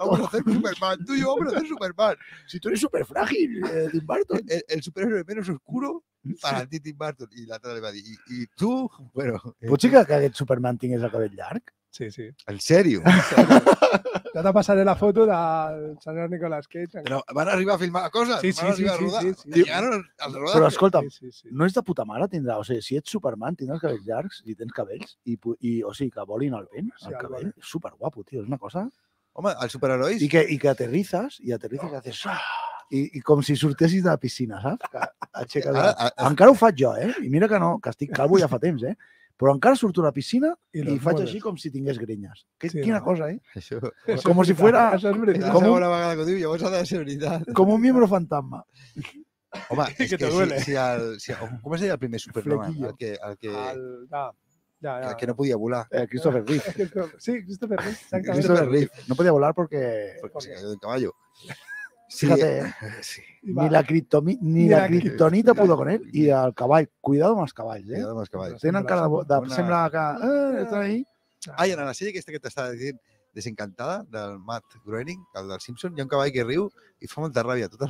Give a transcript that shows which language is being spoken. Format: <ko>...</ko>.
<es>Vamos a hacer Superman,</es> <ca>tu i jo</ca> <es>vamos a hacer Superman. Si tu eres superfràgil, Tim Burton. El superhéroe menos oscuro. Para ti, Tim Burton, y la otra le va a decir, ¿y tú? Bueno,</es> <ca>¿potser que aquest Superman tingués el cabell llarg? Sí, sí.</ca> <es>¿En serio?</es> <ca>Ja, te passaré la foto del senyor Nicolas Cage. Però van arribar a filmar coses? Sí, sí, sí. Però escolta'm, no és de puta mare tindrà... O sigui, si ets Superman, tindràs cabells llargs i tens cabells, i o sigui, que volin el vent, el cabell. És superguapo, tio. És una cosa... Home, els superherois... I que aterrizes, i aterrizes i haces... I com si sortessis de la piscina, saps? Encara ho faig jo, eh? I mira que no, que estic calvo ja fa temps, eh? Però encara surto a la piscina i faig així com si tingués grinyes. Quina cosa, eh? Això... Com si fuera... Això és veritat. La segona vegada que ho diu, llavors ha de ser veritat. Com un miembro fantasma. Home, és que si el... Com es deia el primer Superman? El que... El que no podia volar. Christopher Reeve. Sí, Christopher Reeve. Christopher Reeve. No podia volar perquè...</ca> <es>Perquè se cayó de un caballo. Fíjate, ni la criptonita pudo con él.</es> <ca>I el cavall. Cuidado amb els cavalls, eh? Cuidado amb els cavalls. Tenen cara de... Sembla que... Estan ahí. Ai, en la sèrie aquesta que t'està dient Desencantada, del Matt Groening, el del Simpson, hi ha un cavall que riu i fa molta ràbia.</ca>